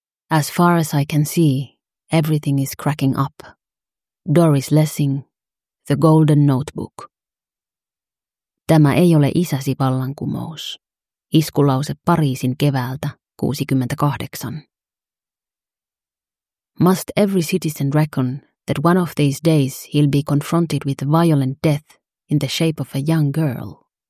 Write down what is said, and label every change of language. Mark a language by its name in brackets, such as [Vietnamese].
[English] As far as I can see, everything is cracking up. Doris Lessing. The Golden Notebook. [Finnish] Tämä ei ole isäsi vallankumous. Iskulause Pariisin keväältä, 68. [English] Must every citizen reckon that one of these days he'll be confronted with a violent death in the shape of a young girl?